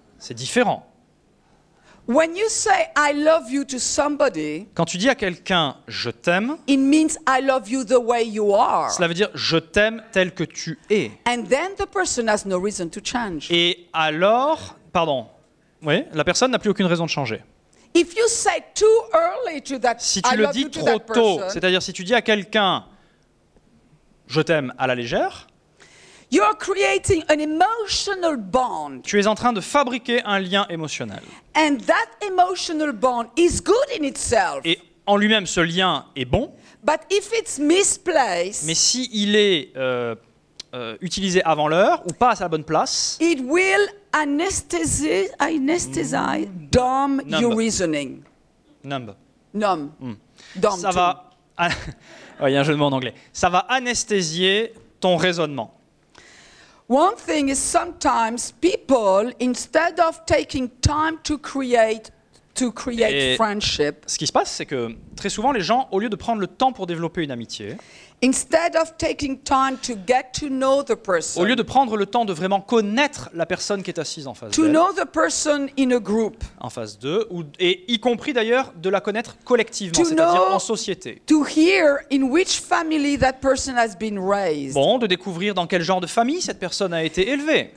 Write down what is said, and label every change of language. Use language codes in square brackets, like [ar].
[fr] C'est différent. [en] When you say I love you to somebody, [fr] quand tu dis à quelqu'un je t'aime, [en] it means I love you the way you are. [fr] Cela veut dire je t'aime tel que tu es. [en] And then the person has no reason to change. [fr] Et alors, pardon, oui, la personne n'a plus aucune raison de changer. [en] If you say too early to that, [fr] si tu le dis trop tôt, c'est-à-dire si tu dis à quelqu'un je t'aime à la légère, [en] you are creating an emotional bond. [fr] Tu es en train de fabriquer un lien émotionnel. [en] And that emotional bond is good in itself. [fr] Et en lui-même, ce lien est bon. [en] But if it's misplaced, [fr] mais si il est utilisé avant l'heure ou pas à sa bonne place, [en] it will anesthésie, dumb your reasoning. [fr] Numb. Ça va. Il y a un jeu de mots en anglais. Ça va anesthésier ton raisonnement. [en] One thing is sometimes people, instead of taking time to create [fr] et [en] friendship. [fr] Ce qui se passe, c'est que très souvent, les gens, au lieu de prendre le temps pour développer une amitié, [en] instead of taking time to get to know the person, [fr] au lieu de prendre le temps de vraiment connaître la personne qui est assise en face [en] d'elle, to know the person in a group, [fr] en face d'eux, et y compris d'ailleurs de la connaître collectivement, c'est-à-dire en société, [en] to hear in which family that person has been raised, [fr] bon, de découvrir dans quel genre de famille cette personne a été élevée,